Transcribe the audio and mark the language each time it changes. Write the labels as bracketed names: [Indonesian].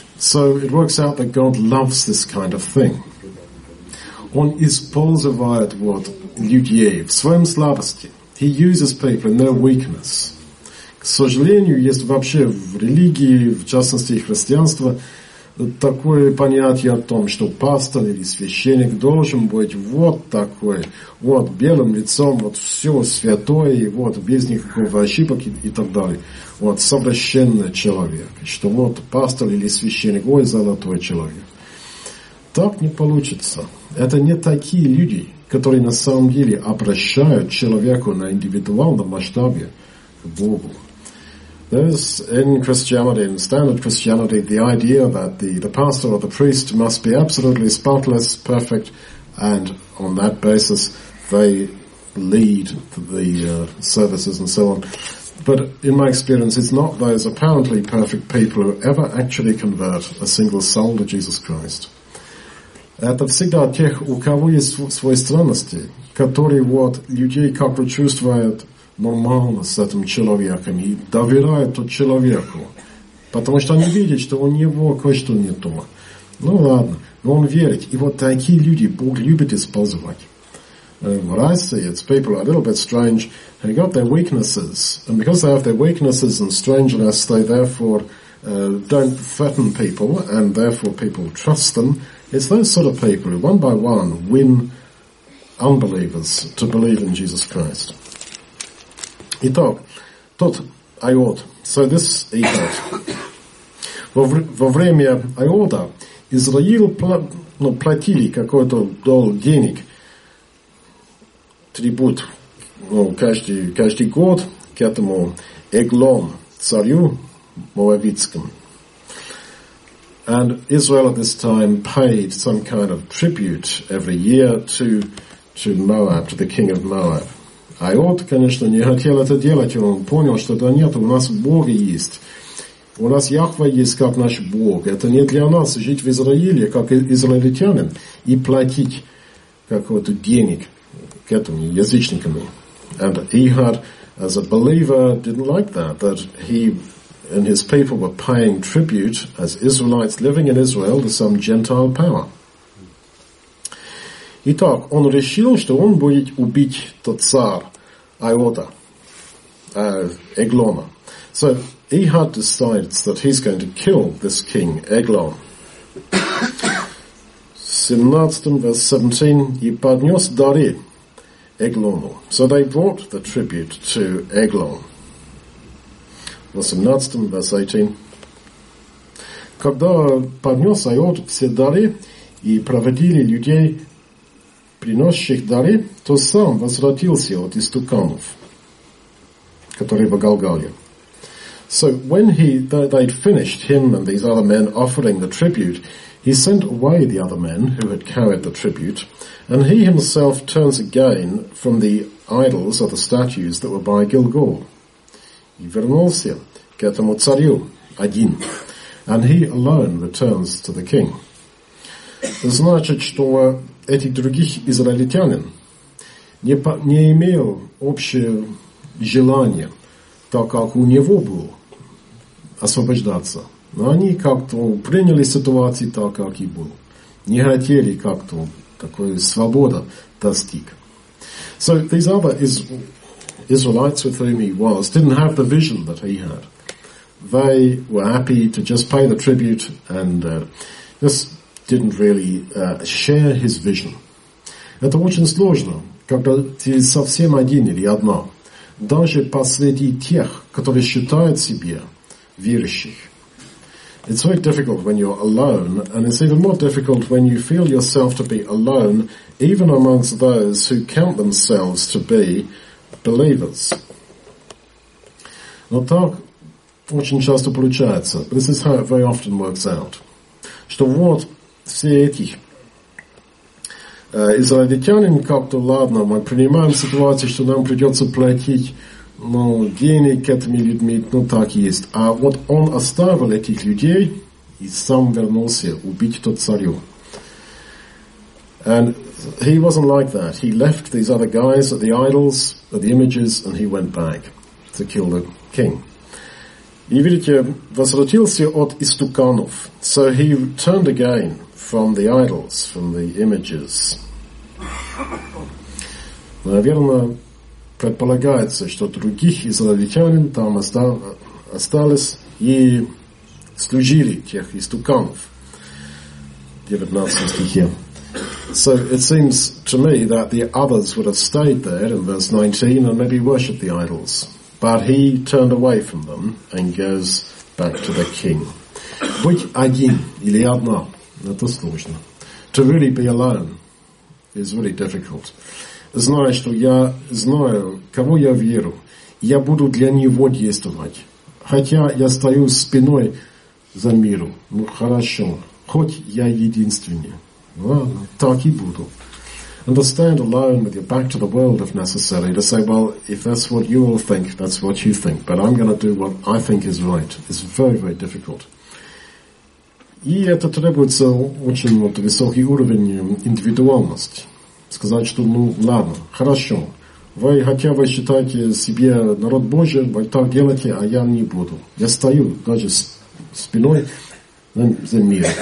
[English] So it works out that God loves this kind of thing. [Russian] Он использует вот людей в своем слабости. [English] He uses people in their weakness. [Russian] К сожалению, есть вообще в религии, в частности христианство, такое понятие о том, что пастор или священник должен быть вот такой, вот белым лицом, вот все святое, вот без никакого ошибок и так далее. Вот совращенный человек. Что вот пастор или священник, ой, золотой человек. Так не получится. Это не такие люди, которые на самом деле обращают человека на индивидуальном масштабе к Богу. [English] There's in Christianity, in standard Christianity, the idea that the pastor or the priest must be absolutely spotless, perfect, and on that basis they lead the services and so on. But in my experience, it's not those apparently perfect people who ever actually convert a single soul to Jesus Christ. [Russian] Это всегда тех, у кого есть свои странности, которые вот людей как бы чувствуют нормально с этим человеком и доверяют тот человеку, потому что они видят, что у него кое-что не то. Ну ладно, но он верит. И вот такие люди Бог любит использовать. [English] What I see, it's people are a little bit strange. They got their weaknesses, and because they have their weaknesses and strangeness, they therefore don't threaten people, and therefore people trust them. It's those sort of people who, one by one, win unbelievers to believe in Jesus Christ. [Russian] Итак, тот айот. [English] So this айот. [Russian] Во время айота Израиль платили какой-то долг денег, трибут, каждый год к этому Эглон, царю Моавитскому. [English] And Israel at this time paid some kind of tribute every year to Moab, to the king of Moab. [Russian] Айот, конечно, не хотел это делать, он понял, что да нет, у нас Бог есть. У нас Яхва есть, как наш Бог. Это не для нас жить в Израиле, как израильтянин, и платить какой-то денег к этим язычникам. [English] And Ehud, as a believer, didn't like that he and his people were paying tribute as Israelites living in Israel to some Gentile power. [Russian] Итак, он решил, что он будет убить тот царь Айота, Эглона. [English] So Ehud decides that he's going to kill this king, Eglon. [Russian] 17, verse 17, и поднес дары Эглону. [English] So they brought the tribute to Eglon. 18, verse 18. [Russian] Когда поднес Айот все дары и проводили людей, приносящих дары, то сам возвратился от истуканов, которые в Галгалии. [English] So when they'd finished, him and these other men offering the tribute, he sent away the other men who had carried the tribute, and he himself turns again from the idols or the statues that were by Gilgal. [Russian] И вернулся к этому царю один. [English] And he alone returns to the king. [Russian] Значит, что эти других израильтянин не имел общее желание, так как у него было, освобождаться. Но они как-то приняли ситуацию так, как и было. Не хотели как-то такой свободы достиг. [English] So these other Israelites with whom he was didn't have the vision that he had. They were happy to just pay the tribute and just didn't really share his vision. [Russian] Это очень сложно, когда ты совсем один или одна. Даже посреди тех, которые считают себя верующих. [English] It's very difficult when you're alone, and it's even more difficult when you feel yourself to be alone, even amongst those who count themselves to be believers. [Russian] Но так очень часто получается. [English] This is how it very often works out. [Russian] Что вот все эти израильтянин как-то ладно, мы принимаем ситуацию, что нам придется платить денег этими людьми, так и есть. А вот он оставил этих людей и сам вернулся убить тот царю. [English] And he wasn't like that. He left these other guys at the idols, at the images, and he went back to kill the king. [Russian] И видите, возвратился от истуканов. [English] So he turned again from the idols, from the images. [Russian] Наверное, предполагается, что других израильтянин там осталось и служили тех истуканов. 19 стихе. [English] So it seems to me that the others would have stayed there in verse 19 and maybe worshipped the idols. But he turned away from them and goes back to the king. [Russian] Быть один или одна, это сложно. [English] To really be alone is really difficult. [Russian] Знаю, что я знаю, кого я верю. Я буду для него действовать. Хотя я стою спиной за миру. Ну хорошо, хоть я единственный. Ладно, так и буду. [English] And to stand alone with your back to the world if necessary, to say, well, if that's what you all think, that's what you think, but I'm going to do what I think is right. It's very, very difficult. [Russian] И это требуется очень вот высокий уровень индивидуальности. Сказать, что ну ладно, хорошо. Вы хотя бы считаете себе народ Божий, вы так делаете, а я не буду. Я стою даже спиной за мир.